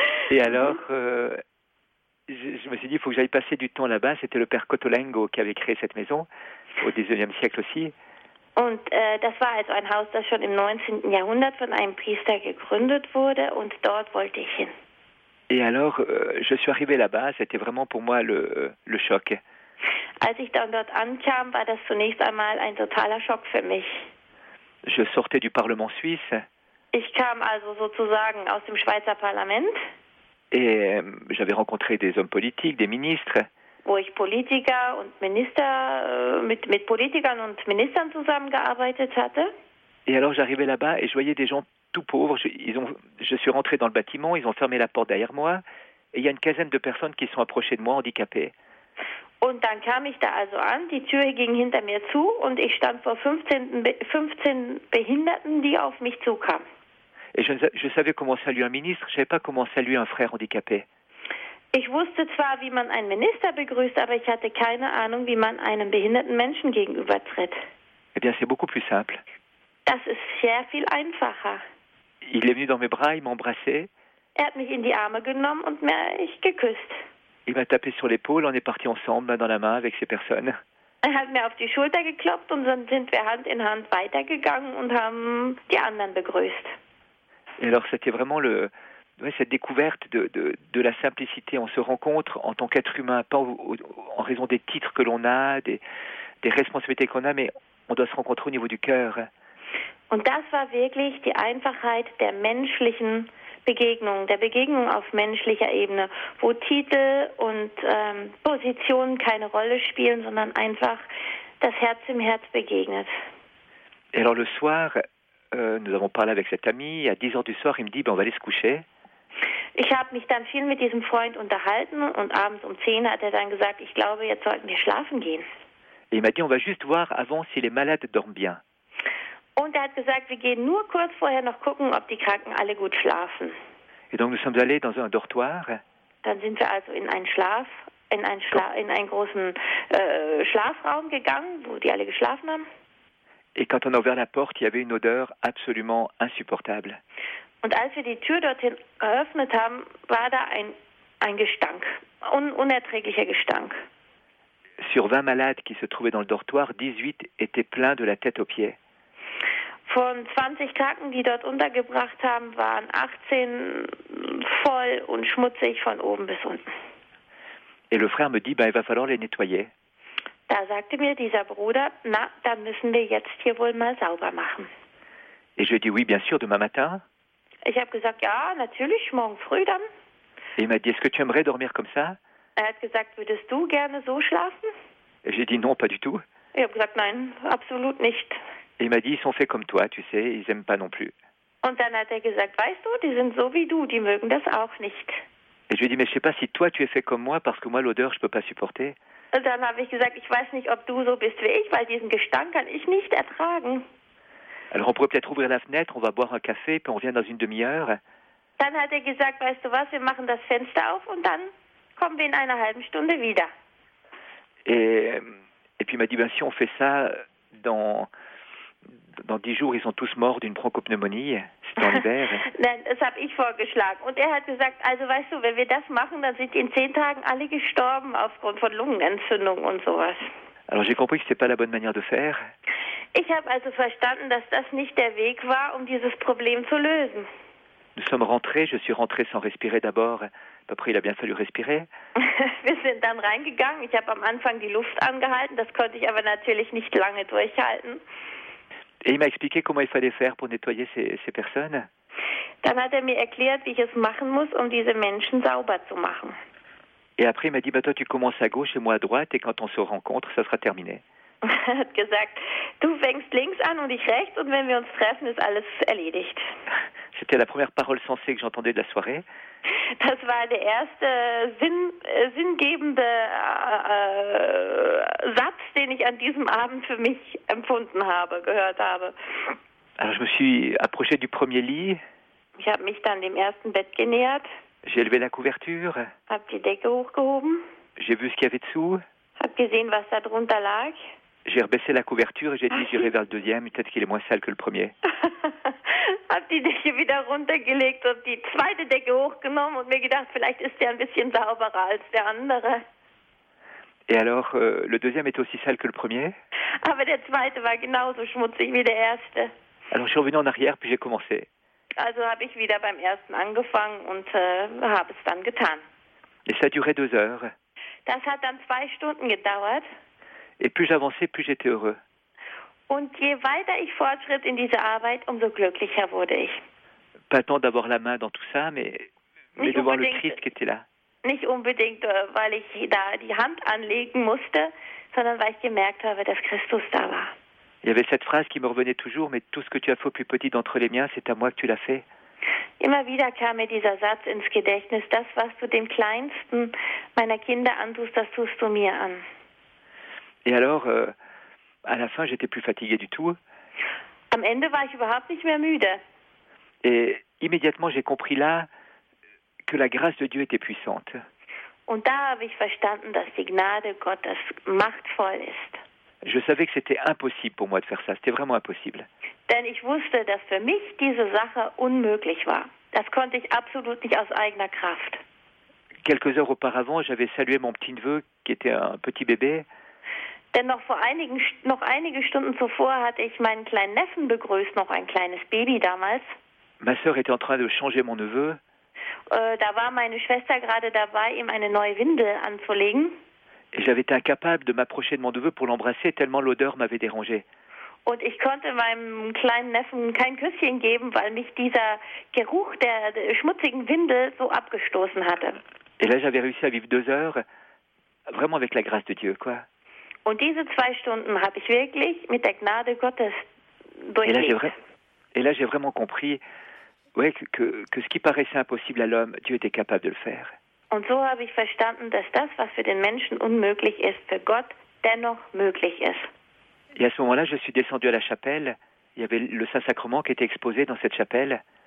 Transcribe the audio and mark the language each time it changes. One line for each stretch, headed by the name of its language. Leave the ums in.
French: Et alors, euh, je, je me suis dit, il faut que j'aille passer du temps là-bas. C'était le père Cotolengo qui avait créé cette maison, au XIXe siècle aussi.
German: Und äh, das war also ein Haus, das schon im 19. Jahrhundert von einem Priester gegründet wurde und dort wollte ich hin.
French: Et alors, euh, je suis arrivé là-bas, c'était vraiment pour moi le, le choc.
German: Als ich dann dort ankam, war das zunächst einmal ein totaler Schock für mich.
French: Je sortais du Parlement suisse
German: Ich kam also sozusagen aus dem Schweizer Parlament,
French: et euh, j'avais rencontré des hommes politiques, des ministres.
German: wo ich Politiker und Minister äh, mit, mit Politikern und Ministern zusammengearbeitet hatte.
French: Et alors j'arrivais là-bas et je voyais des gens tout pauvres. Je, ils ont, je suis rentré dans le bâtiment, ils ont fermé la porte derrière moi et il y a une quinzaine de personnes qui se sont approchées de moi handicapées.
German: Und dann kam ich da also an, die Tür ging hinter mir zu und ich stand vor 15, Be- 15 Behinderten, die auf mich zukamen.
French: Et je, ne sa- je savais comment saluer un ministre, je savais pas comment saluer un frère handicapé.
German: Ich wusste zwar, wie man einen Minister begrüßt, aber ich hatte keine Ahnung, wie man einem behinderten Menschen gegenübertritt.
French: Eh bien c'est beaucoup plus simple.
German: Das ist sehr viel einfacher.
French: Il est venu dans mes bras, il m'a embrassé,
German: Er hat mich in die Arme genommen und mich geküsst.
French: il m'a tapé sur l'épaule, on est parti ensemble, main dans la main avec ces personnes.
German: Er hat mir auf die Schulter geklopft und dann sind wir Hand in Hand weitergegangen und haben die anderen begrüßt.
French: Et alors c'était vraiment le, ouais, cette découverte de, de, de la simplicité. On se rencontre en tant qu'être humain, pas au- au- en raison des titres que l'on a, des, des responsabilités qu'on a, mais on doit se rencontrer au niveau du cœur.
German: Und das war wirklich die Einfachheit der menschlichen Begegnung, der Begegnung auf menschlicher Ebene, wo Titel und ähm, Positionen keine Rolle spielen, sondern einfach das Herz im Herz begegnet.
French: Et alors le soir, euh, nous avons parlé avec cet ami, à 10 heures du soir, il me dit, ben, on va aller se coucher.
German: Ich habe mich dann viel mit diesem Freund unterhalten und abends um 10 hat er dann gesagt, ich glaube, jetzt sollten wir schlafen gehen.
French: Et il m'a dit, on va juste voir avant si les malades dorment bien.
German: Und er hat gesagt, wir gehen nur kurz vorher noch gucken, ob die Kranken alle gut schlafen.
French: Et donc nous sommes allés dans un dortoir,
German: Dann sind wir also in einen Schlaf, in einen, Schla in einen großen äh, Schlafraum gegangen, wo die alle geschlafen haben.
French: et quand on a ouvert la porte, il y avait une odeur absolument insupportable.
German: Und als wir die Tür dorthin geöffnet haben, war da ein, ein Gestank, un unerträglicher Gestank.
French: Sur 20 malades qui se trouvaient dans le dortoir, 18 étaient pleins de la tête aux pieds.
German: Von 20 Kranken, die dort untergebracht haben, waren 18 voll und schmutzig von oben bis unten.
French: Et le frère me dit, ben, il va falloir les nettoyer.
German: Da sagte mir dieser Bruder, na, dann müssen wir jetzt hier wohl mal sauber machen.
French: Et je lui ai dit, oui, bien sûr, demain matin.
German: Ich habe gesagt, ja, natürlich, morgen früh dann.
French: Et il m'a dit, est-ce que tu aimerais dormir comme ça
German: Er hat gesagt, würdest du gerne so schlafen?
French: Et j'ai dit, non, pas du tout.
German: Ich habe gesagt, nein, absolut nicht.
French: Et il m'a dit, ils sont faits comme toi, tu sais, ils aiment pas non plus.
German: Und dann hat er gesagt, weißt du, die sind so wie du, die mögen das auch nicht.
French: Et je lui ai dit, mais je sais pas si toi tu es fait comme moi, parce que moi, l'odeur, je peux pas supporter.
German: Und dann habe ich gesagt, ich weiß nicht, ob du so bist wie ich, weil diesen Gestank kann ich nicht ertragen.
French: Alors on pourrait peut-être ouvrir la fenêtre, on va boire un café, puis on revient dans une demi-heure.
German: Dann hat er gesagt, weißt du was, wir machen das Fenster auf und dann kommen wir in einer halben Stunde wieder.
French: Et, et puis il m'a dit, ben, si on fait ça, dans, dans 10 jours, ils sont tous morts d'une bronchopneumonie. C'était en hiver.
German: Nein, das habe ich vorgeschlagen. Und er hat gesagt, also weißt du, wenn wir das machen, dann sind in zehn Tagen alle gestorben aufgrund von Lungenentzündung und sowas.
French: Alors j'ai compris que c'est pas la bonne manière de faire.
German: Ich habe also verstanden, dass das nicht der Weg war, um dieses Problem zu lösen.
French: Nous sommes rentrés, je suis rentré sans respirer d'abord. Après, il a bien fallu respirer.
German: Wir sind dann reingegangen. Ich habe am Anfang die Luft angehalten. Das konnte ich aber natürlich nicht lange durchhalten.
French: Et il m'a expliqué comment il fallait faire pour nettoyer ces, ces personnes.
German: Dann hat er mir erklärt, wie ich es machen muss, um diese Menschen sauber zu machen.
French: Et après, il m'a dit, bah, toi, tu commences à gauche et moi à droite, et quand on se rencontre, ça sera terminé.
German: Er hat gesagt, du fängst links an und ich rechts und wenn wir uns treffen, ist alles erledigt.
French: C'était la première parole sensée que j'entendais de la soirée.
German: Das war der erste Sinn, äh, sinngebende äh, äh, Satz, den ich an diesem Abend für mich empfunden habe, gehört habe.
French: Alors, je me suis approché du premier lit,
German: Ich habe mich dann dem ersten Bett genähert,
French: j'ai élevé la couverture,
German: habe die Decke hochgehoben,
French: j'ai vu ce qu'il y avait dessous,
German: habe gesehen, was da drunter lag.
French: j'ai rebaissé la couverture et j'ai dit, j'irai vers le deuxième, peut-être qu'il est moins sale que le premier.
German: habe die Decke wieder runtergelegt und die zweite Decke hochgenommen und mir gedacht, vielleicht ist der ein bisschen sauberer als der andere.
French: Et alors, euh, le deuxième était aussi sale que le premier.
German: Aber der zweite war genauso schmutzig wie der erste.
French: Alors, je suis revenu en arrière, puis j'ai commencé.
German: Also habe ich wieder beim ersten angefangen und äh, habe es dann getan.
French: Et ça a duré deux heures.
German: Das hat dann zwei Stunden gedauert.
French: Et plus j'avançais, plus j'étais heureux.
German: Und je weiter ich fortschritt in dieser Arbeit, umso glücklicher wurde ich.
French: Pas tant d'avoir la main dans tout ça, mais, mais Oui, de on voir peut le dire Christ que- qui était là.
German: Nicht unbedingt, äh, weil ich da die Hand anlegen musste, sondern weil ich gemerkt habe, dass Christus da war.
French: Il y avait cette phrase qui me revenait toujours, mais tout ce que tu as fait au plus petit d'entre les miens, c'est à moi que tu l'as fait.
German: Immer wieder kam mir dieser Satz ins Gedächtnis, das, was du dem kleinsten meiner Kinder antust, das tust du mir an.
French: Et alors, euh, à la fin, j'étais plus fatigué du tout.
German: Am Ende war ich überhaupt nicht mehr müde.
French: Et immédiatement, j'ai compris là que la grâce de Dieu était puissante.
German: Und da habe ich verstanden, dass die Gnade Gottes machtvoll ist.
French: Je savais que c'était impossible pour moi de faire ça. C'était vraiment impossible.
German: Denn ich wusste, dass für mich diese Sache unmöglich war. Das konnte ich absolut nicht aus eigener Kraft.
French: Quelques heures auparavant, j'avais salué mon petit-neveu qui était un petit bébé.
German: Denn noch vor einigen, noch einige Stunden zuvor hatte ich meinen kleinen Neffen begrüßt, noch ein kleines Baby damals.
French: Ma sœur était en train de changer mon neveu.
German: Äh, da war meine Schwester gerade dabei, ihm eine neue Windel anzulegen.
French: Et j'avais été incapable de m'approcher de mon neveu pour l'embrasser tellement l'odeur m'avait dérangé.
German: Und ich konnte meinem kleinen Neffen kein Küsschen geben, weil mich dieser Geruch der der schmutzigen Windel so abgestoßen hatte.
French: Et là, j'avais réussi à vivre deux heures, vraiment avec la grâce de Dieu, quoi.
German: Und diese zwei Stunden habe ich wirklich mit der Gnade Gottes
French: Et là, j'ai
German: durchlebt.
French: vra- et là, j'ai vraiment compris ouais, que, que, que ce qui paraissait impossible à l'homme, Dieu était capable de le faire.
German: Und so habe ich verstanden, dass das, was für den Menschen unmöglich ist, für Gott dennoch möglich ist.
French: Et à ce moment-là, je suis descendu à la chapelle. Il y avait le Saint-Sacrement qui était exposé dans cette chapelle.